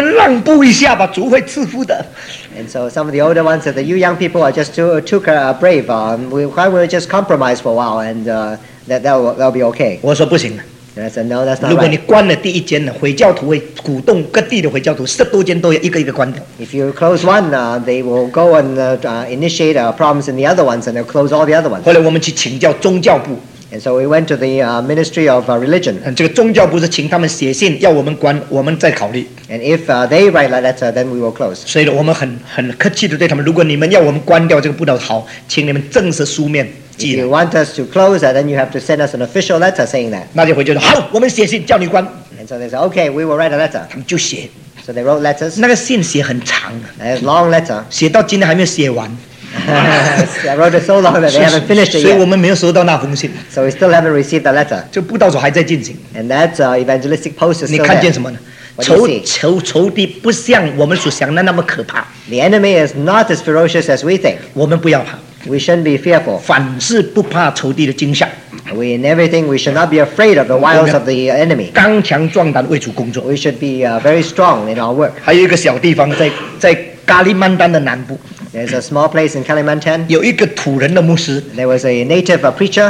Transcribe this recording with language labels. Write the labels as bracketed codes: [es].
[zh] 有的这是年纪比较老的，他说，你们年轻的人胆子太大了，我们让步一下吧，主会赐福的。 [en] And so some of the older ones said, the you young people are just too brave. Why will we just compromise for a while and that'll be okay. [zh] 我说不行。 [en] And I said, no, that's not right. [zh] 如果你关了第一间，回教徒会鼓动各地的回教徒，10多间都要一个一个关掉。 [en] If you close one, they will go and initiate problems in the other ones, and they'll close all the other ones. [zh] 后来我们去请教宗教部。 [en] And so we went to the Ministry of Religion. [zh] 这个宗教部是请他们写信，要我们关，我们再考虑。 [en] And if they write a letter, then we will close. [zh] 所以我们很客气地对他们，如果你们要我们关掉这个布道，好，请你们正式书面。 [en] If you want us to close, then you have to send us an official letter saying that. [zh] 那就回去说好，我们写信叫你关。 [en] And so they said, okay, we will write a letter. [zh] 他们就写。 [en] So they wrote letters. [zh] 那个信写很长。 [en] A long letter. [zh] 写到今天还没有写完。 [en] I wrote it so long that they haven't finished it yet. [zh] 所以我们没有收到那封信。 [en] So we still haven't received the letter. [zh] 这布道所还在进行。 [en] And that evangelistic post is still there. [zh] 你看见什么呢？仇敌不像我们所想的那么可怕。 [en] The enemy is not as ferocious as we think. [zh] 我们不要怕。 [en] We shouldn't be fearful. [zh] 凡事不怕仇敌的惊吓。 [en] We in everything, we should not be afraid of the wiles of the enemy. [zh] 刚强壮胆为主工作。 [en] We should be very strong in our work. [zh] 还有一个小地方在加里曼丹的南部。 [en] There's a small place in Kalimantan. [zh] 有一个土人的牧师。 [en] There was a native preacher.